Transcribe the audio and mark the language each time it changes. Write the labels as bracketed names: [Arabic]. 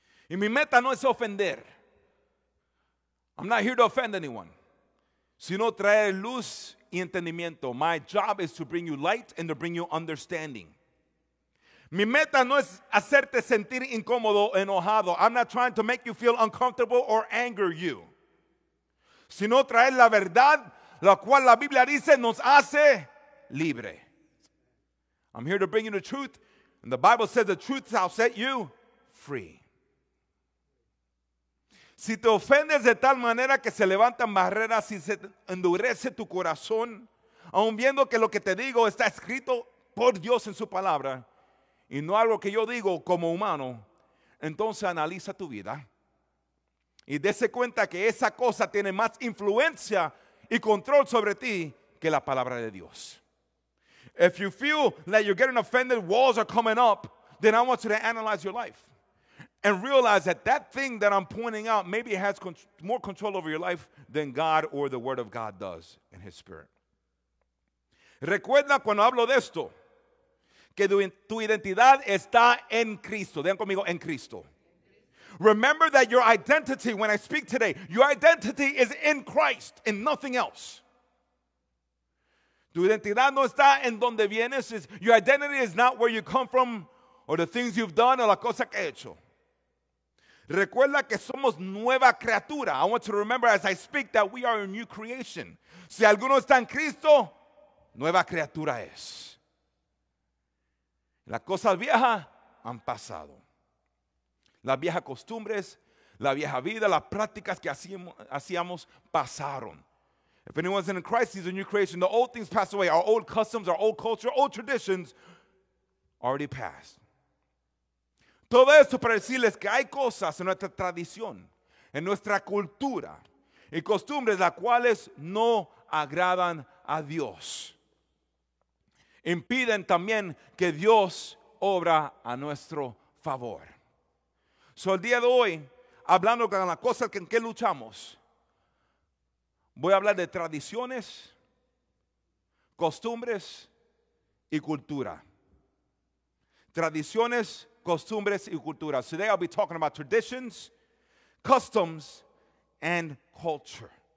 [Spanish] Y mi meta no es ofender. [English] I'm not here to offend anyone, [Spanish] sino traer luz y entendimiento. [English] My job is to bring you light and to bring you understanding. [Spanish] Mi meta no es hacerte sentir incómodo, enojado. [English] I'm not trying to make you feel uncomfortable or anger you. [Spanish] Sino traer la verdad, la cual la Biblia dice nos hace libre. [English] I'm here to bring you the truth. And the Bible says the truth shall set you free. [Spanish] Si te ofendes de tal manera que se levantan barreras y se endurece tu corazón, aun viendo que lo que te digo está escrito por Dios en su palabra, y no algo que yo digo como humano, entonces analiza tu vida. Y dése cuenta que esa cosa tiene más influencia y control sobre ti que la palabra de Dios. [English] If you feel that you're getting offended, walls are coming up, then I want you to analyze your life and realize that that thing that I'm pointing out maybe has more control over your life than God or the Word of God does in His Spirit. [Spanish] Recuerda cuando hablo de esto, que tu identidad está en Cristo. Vean conmigo, en Cristo. [English] Remember that your identity, when I speak today, your identity is in Christ and nothing else. [Spanish] Tu identidad no está en donde vienes. [English] Your identity is not where you come from or the things you've done or [Spanish] la cosa que he hecho. Recuerda que somos nueva criatura. [English] I want you to remember as I speak that we are a new creation. [Spanish] Si alguno está en Cristo, nueva criatura es. Las cosas viejas han pasado. Las viejas costumbres, la vieja vida, las prácticas que hacíamos pasaron. [English] If anyone's in Christ, he's a new creation. The old things passed away. Our old customs, our old culture, old traditions already passed. [Spanish] Todo esto para decirles que hay cosas en nuestra tradición, en nuestra cultura y costumbres las cuales no agradan a Dios. Impiden también que Dios obra a nuestro favor. So el día de hoy, hablando con las cosas en que luchamos, voy a hablar de tradiciones, costumbres y cultura. Tradiciones, costumbres y cultura. [English] Today I'll be talking about traditions, customs, and culture.